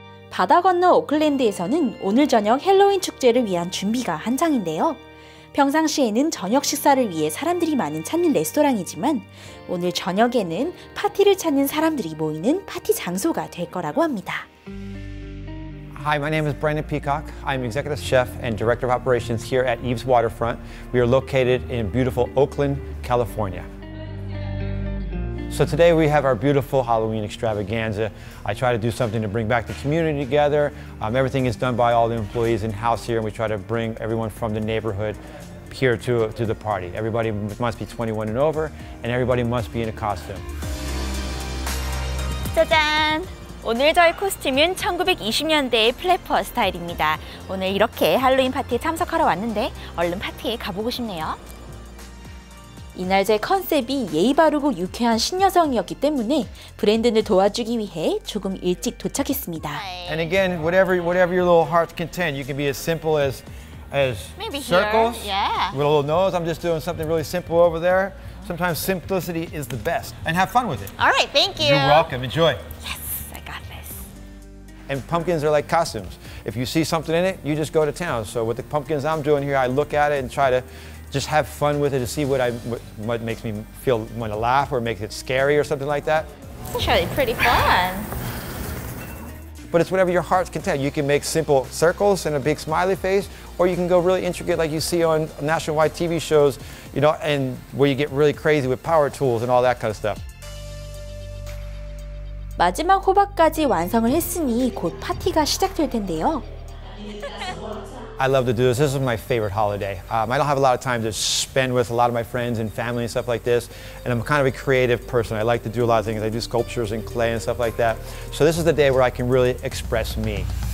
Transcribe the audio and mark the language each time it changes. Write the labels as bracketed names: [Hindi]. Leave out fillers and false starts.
[Korean] 바다 건너 오클랜드에서는 오늘 저녁 할로윈 축제를 위한 준비가 한창인데요. 평상시에는 저녁 식사를 위해 사람들이 많은 찾는 레스토랑이지만 오늘 저녁에는 파티를 찾는 사람들이 모이는 파티 장소가 될 거라고 합니다. [English] Hi, my name is Brandon Peacock. I'm executive chef and director of operations here at Eve's Waterfront. We are located in beautiful Oakland, California. So today we have our beautiful Halloween extravaganza. I try to do something to bring back the community together. Everything is done by all the employees in-house here, and we try to bring everyone from the neighborhood here to the party. Everybody must be 21 and over, and everybody must be in a costume. [Korean] 짜잔! 오늘 저의 코스튬은 1920년대의 플래퍼 스타일입니다. 오늘 이렇게 할로윈 파티에 참석하러 왔는데 얼른 파티에 가보고 싶네요. 이날 제 컨셉이 예의 바르고 유쾌한 신여성이었기 때문에 브랜든을 도와주기 위해 조금 일찍 도착했습니다. [English] And again, whatever your little heart content, you can be as simple as maybe circles. Here. Yeah. With a little nose. I'm just doing something really simple over there. Sometimes simplicity is the best. And have fun with it. All right, thank you. You're welcome. Enjoy. Yes, I got this. And pumpkins are like costumes. If you see something in it, you just go to town. So with the pumpkins I'm doing here, I look at it and try to just have fun with it to see what makes me feel want to laugh or makes it scary or something like that. It's actually pretty fun. But it's whatever your heart's content. You can make simple circles and a big smiley face, or you can go really intricate like you see on nationwide TV shows, you know, and where you get really crazy with power tools and all that kind of stuff. [Korean] 마지막 호박까지 완성을 했으니 곧 파티가 시작될 텐데요. [English] I love to do this. This is my favorite holiday. I don't have a lot of time to spend with a lot of my friends and family and stuff like this. And I'm kind of a creative person. I like to do a lot of things. I do sculptures and clay and stuff like that. So this is the day where I can really express me.